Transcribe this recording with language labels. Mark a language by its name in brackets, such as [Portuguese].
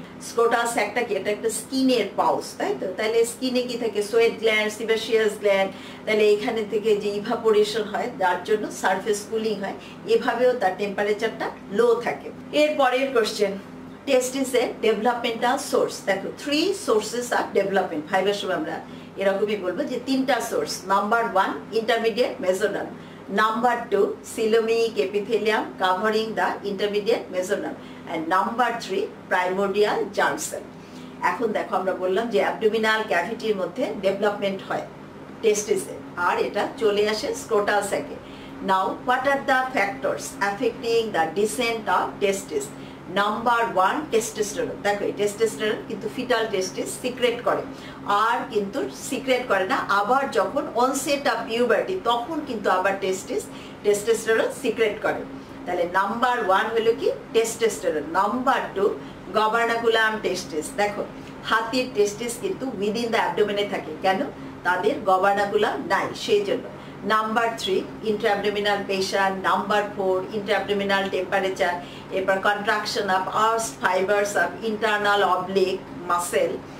[Bangla] Scrotal sac টা কি এটা একটা skin এর pouch তাই তো তাহলে skin এ কি থাকে sweat gland sebaceous gland তাহলে এখানে থেকে যে evaporation হয় তার জন্য surface cooling হয় এভাবেও তার temperature টা low থাকে এরপরের question testis এর developmental source দেখো [English] 3 sources are development fiber [Bangla] সব আমরা এরকমই বলবো যে তিনটা source number 1 intermediate mesonal [English] Number 2, coelomic epithelium covering the intermediate mesonal. And number 3, primordial germ cell. [Bangla] এখন দেখো আমরা বললাম যে abdominal cavity-র মধ্যে development হয় testis-এ আর এটা চলে আসে scrotal sac-এ. [English] Now, what are the factors affecting the descent of testis? Number 1, testosterone. [Bangla] দেখো এই testosterone কিন্তু fetal testis secrete করে. আর কিন্তু সিক্রেট করে না আবার যখন অনসেট অফ পিউবার্টি তখন কিন্তু আবার টেস্টিস টেস্টোস্টেরন সিক্রেট করে তাহলে নাম্বার 1 হলো কি টেস্টোস্টেরন নাম্বার 2 গবার্নাকুলাম টেস্টিস দেখো হাতির টেস্টিস কিন্তু উইদিন দা অ্যাবডোমেনে থাকে কেন তাদের গবার্নাকুলাম নাই সেই জন্য number 3 Intra abdominal pressure number 4 Intra abdominal temperature এবার contraction of আর্স্ট fibres of internal oblique muscle